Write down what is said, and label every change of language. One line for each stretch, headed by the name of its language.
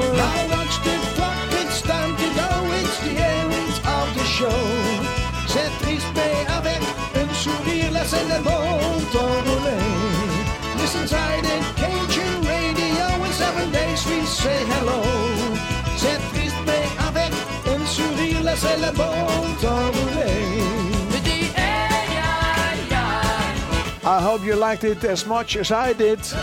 English: I watch the clock, it's time to go, it's the end of the show.
French: C'est triste, avec un sourire, laissez le bon temps rouler.
English: Listen inside the Cajun radio, in 7 days we say hello.
French: C'est triste, avec un sourire, laissez le bon temps rouler.
English: I hope you liked it as much as I did.